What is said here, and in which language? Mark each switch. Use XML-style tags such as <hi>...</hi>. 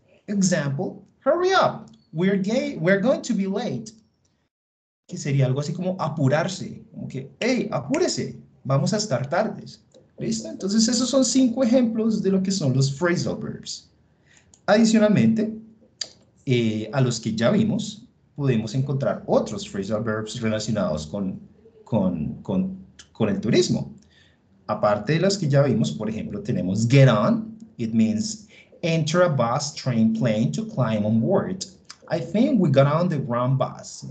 <en>Example, hurry up, we're going to be late.</en> <es>Que sería algo así como apurarse, como que, hey, apúrese, vamos a estar tardes. ¿Listo? Entonces esos son 5 ejemplos de lo que son los phrasal verbs. Adicionalmente, a los que ya vimos, podemos encontrar otros phrasal verbs relacionados con el turismo. Aparte de los que ya vimos, por ejemplo, tenemos get on.</es> <en>It means enter a bus, train, plane to climb on board. I think we got on the wrong bus.</en>